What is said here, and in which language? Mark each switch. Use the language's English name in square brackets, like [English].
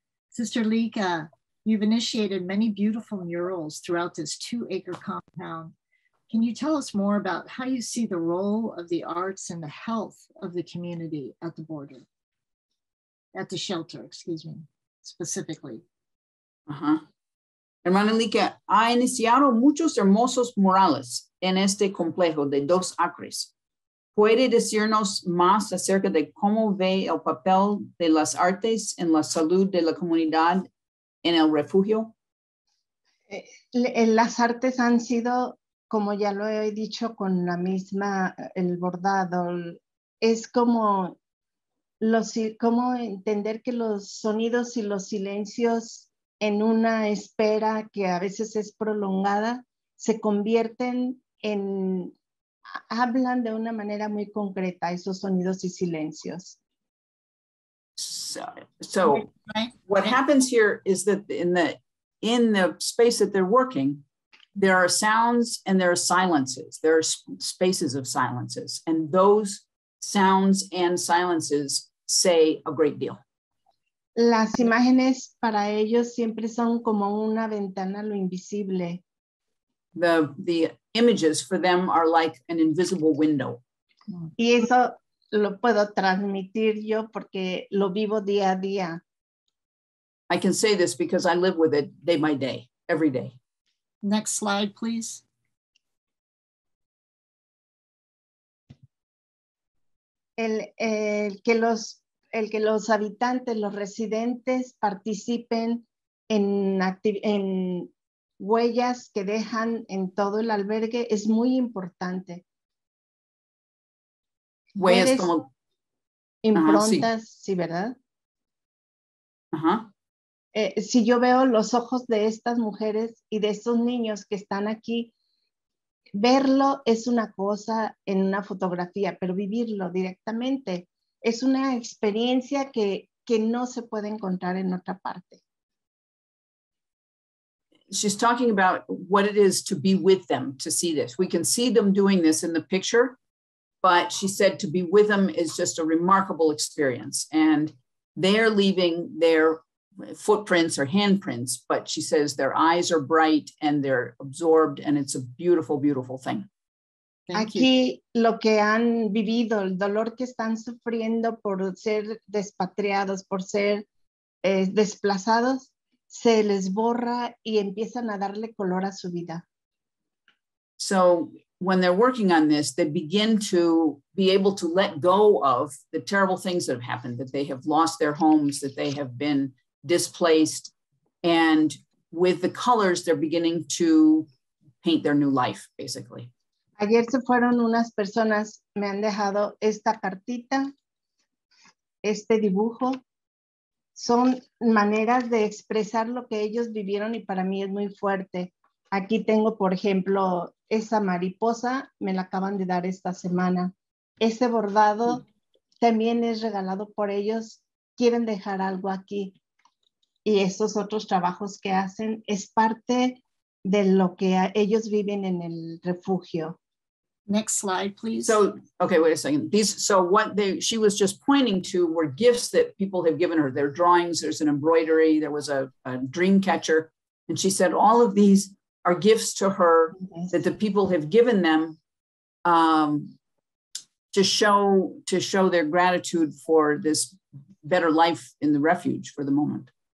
[English] Sister Lika, you've initiated many beautiful murals throughout this 2-acre compound. Can you tell us more about how you see the role of the arts and the health of the community at the border, at the shelter, excuse me, specifically? Uh-huh. [Spanish] Hermana Lika, ha iniciado muchos hermosos murales en este complejo de 2 acres. ¿Puede decirnos más acerca de cómo ve el papel de las artes en la salud de la comunidad en el refugio? Las artes han sido, como ya lo he dicho, con la misma, el bordado. Es como, como entender que los sonidos y los silencios en una espera que a veces es prolongada se convierten en... Hablan de una manera muy concreta esos sonidos y silencios. [English] So what happens here is that in the space that they're working, there are sounds and there are silences. There are spaces of silences. And those sounds and silences say a great deal. [Spanish] Las imágenes para ellos siempre son como una ventana a lo invisible. [English] The images for them are like an invisible window. [Spanish] Y eso lo puedo transmitir yo porque lo vivo día a día. [English] I can say this because I live with it day by day, every day. Next slide, please. [Spanish] El que los habitantes, los residentes participen en huellas que dejan en todo el albergue es muy importante. Huellas como improntas, sí. Sí, ¿verdad? Ajá. Si yo veo los ojos de estas mujeres y de estos niños que están aquí, verlo es una cosa en una fotografía, pero vivirlo directamente es una experiencia que no se puede encontrar en otra parte. [English] She's talking about what it is to be with them, to see this. We can see them doing this in the picture, but she said to be with them is just a remarkable experience. And they're leaving their footprints or handprints, but she says their eyes are bright and they're absorbed, and it's a beautiful, beautiful thing. Thank Aquí you. [Spanish] Lo que han vivido, el dolor que están sufriendo por ser despatriados, por ser desplazados, se les borra y empiezan a darle color a su vida. [English] So when they're working on this, they begin to be able to let go of the terrible things that have happened, that they have lost their homes, that they have been displaced. And with the colors, they're beginning to paint their new life, basically. [Spanish] Ayer se fueron unas personas, me han dejado esta cartita, este dibujo. Son maneras de expresar lo que ellos vivieron y para mí es muy fuerte. Aquí tengo, por ejemplo, esa mariposa, me la acaban de dar esta semana. Ese bordado también es regalado por ellos. Quieren dejar algo aquí. Y esos otros trabajos que hacen es parte de lo que ellos viven en el refugio. [English] Next slide, please. So, okay, wait a second. She was just pointing to were gifts that people have given her. Their drawings, there's an embroidery, there was a dream catcher. And she said all of these are gifts to her that the people have given them to show their gratitude for this better life in the refuge for the moment.